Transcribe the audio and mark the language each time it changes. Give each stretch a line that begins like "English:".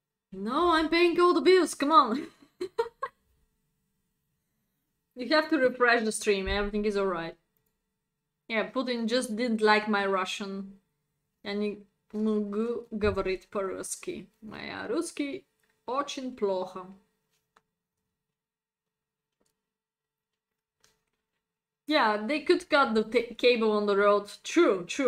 English: No, I'm paying all the bills, come on. You have to refresh the stream, everything is alright. Yeah, Putin just didn't like my Russian.
Russian: Я не могу говорить по-русски. Моя русский очень плохо.
English: Yeah, they could cut the cable on the road. True.